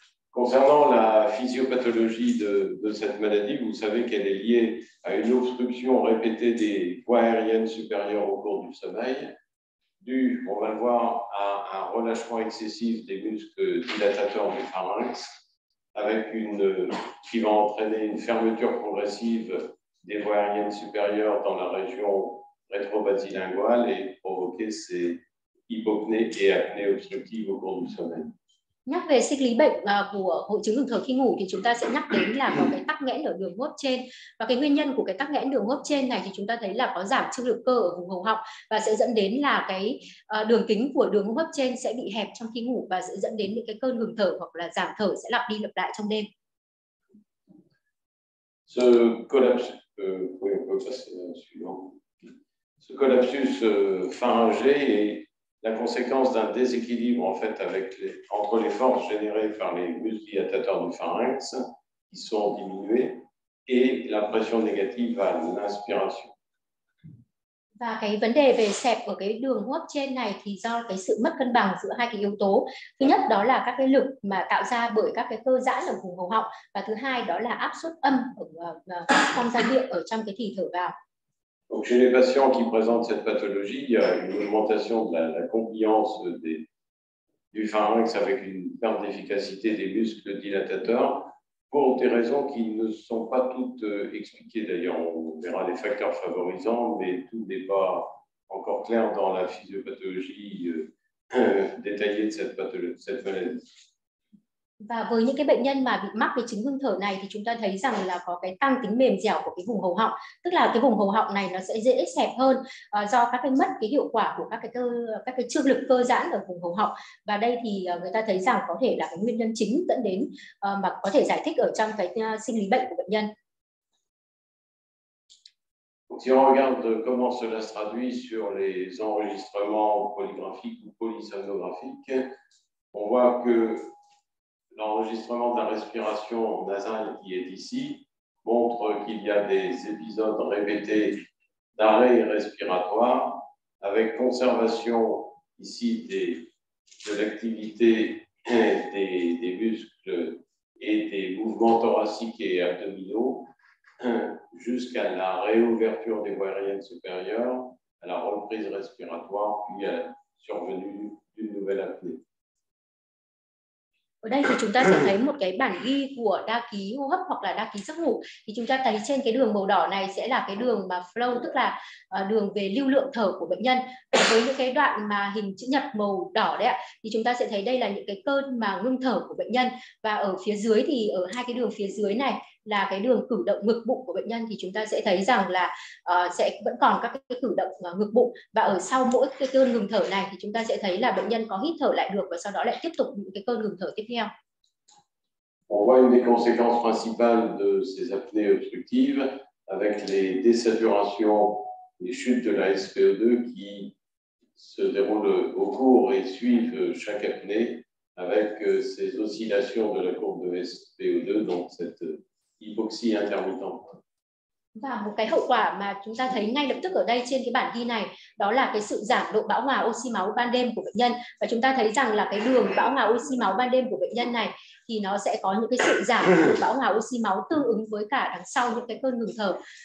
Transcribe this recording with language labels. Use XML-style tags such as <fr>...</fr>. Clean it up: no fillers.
<fr>Concernant la physiopathologie de cette maladie, vous savez qu'elle est liée à une obstruction répétée des voies aériennes supérieures au cours du sommeil, due, on va le voir, à un relâchement excessif des muscles dilatateurs du pharynx, avec une qui va entraîner une fermeture progressive des voies aériennes supérieures dans la région rétrobasilinguale et provoquer ces hypopnées et apnées obstructives au cours du sommeil.</fr> <vi>Nhắc về sinh lý bệnh của hội chứng ngừng thở khi ngủ thì chúng ta sẽ nhắc đến là có cái tắc nghẽn ở đường hô hấp trên. Và cái nguyên nhân của cái tắc nghẽn đường hô hấp trên này thì chúng ta thấy là có giảm trương lực cơ ở vùng hầu họng và sẽ dẫn đến là cái đường kính của đường hô hấp trên sẽ bị hẹp trong khi ngủ và sẽ dẫn đến những cái cơn ngừng thở hoặc là giảm thở sẽ lặp đi lặp lại trong đêm.</vi> <fr>Ce collapse, oui, on peut passer suivant. Ce collapsus pharyngé est la conséquence d'un déséquilibre en fait entre les forces générées par les muscles dilatateurs du pharynx qui sont diminuées et la pression négative à l'inspiration.</fr> <vi>Và cái vấn đề về xẹp ở cái đường hô hấp trên này thì do cái sự mất cân bằng giữa hai cái yếu tố. Thứ nhất đó là các cái lực mà tạo ra bởi các cái cơ giãn ở vùng hầu họng, và thứ hai đó là áp suất âm ở trong giai điệu ở trong cái thì thở vào.</vi> <fr>Donc chez les patients qui présentent cette pathologie, il y a une augmentation de la compliance du pharynx avec une perte d'efficacité des muscles dilatateurs pour des raisons qui ne sont pas toutes expliquées d'ailleurs. On verra les facteurs favorisants, mais tout n'est pas encore clair dans la physiopathologie détaillée de cette maladie.</fr> <vi>Và với những cái bệnh nhân mà bị mắc cái chứng ngưng thở này thì chúng ta thấy rằng là có cái tăng tính mềm dẻo của cái vùng hầu họng, tức là cái vùng hầu họng này nó sẽ dễ xẹp hơn do các cái mất cái hiệu quả của các cái trương lực cơ giãn ở vùng hầu họng. Và đây thì người ta thấy rằng có thể là cái nguyên nhân chính dẫn đến mà có thể giải thích ở trong cái sinh lý bệnh của bệnh nhân.</vi> <fr>Si on regarde comment cela se traduit sur les enregistrements polygraphiques ou polysomnographiques, on voit que l'enregistrement de la respiration nasale qui est ici montre qu'il y a des épisodes répétés d'arrêt respiratoire avec conservation ici de l'activité des muscles et des mouvements thoraciques et abdominaux jusqu'à la réouverture des voies aériennes supérieures, à la reprise respiratoire, puis à la survenue d'une nouvelle apnée.</fr> <vi>Ở đây thì chúng ta sẽ thấy một cái bản ghi của đa ký hô hấp hoặc là đa ký giấc ngủ. Thì chúng ta thấy trên cái đường màu đỏ này sẽ là cái đường mà flow, tức là đường về lưu lượng thở của bệnh nhân. Với những cái đoạn mà hình chữ nhật màu đỏ đấy ạ, thì chúng ta sẽ thấy đây là những cái cơn mà ngưng thở của bệnh nhân. Và ở phía dưới thì ở hai cái đường phía dưới này là cái đường cử động ngực bụng của bệnh nhân, thì chúng ta sẽ thấy rằng là sẽ vẫn còn các cái cử động ngực bụng. Và ở sau mỗi cái cơn ngừng thở này thì chúng ta sẽ thấy là bệnh nhân có hít thở lại được và sau đó lại tiếp tục những cái cơn ngừng thở tiếp theo.</vi> <fr>On voit une des conséquences principales de ces apnées obstructives avec les désaturations, les chutes de la SpO2 qui se déroulent au cours et suivent chaque apnée avec ces oscillations de la courbe de SpO2, donc cette hypoxie intermittente.</fr> <vi>Và một cái hậu quả mà chúng ta thấy ngay lập tức ở đây trên cái bản ghi này đó là cái sự giảm độ bão hòa oxy máu ban đêm của bệnh nhân. Và chúng ta thấy rằng là cái đường bão hòa oxy máu ban đêm của bệnh nhân này thì nó sẽ có những cái sự giảm độ bão hòa oxy máu tương ứng với cả đằng sau những cái cơn ngừng thở.</vi>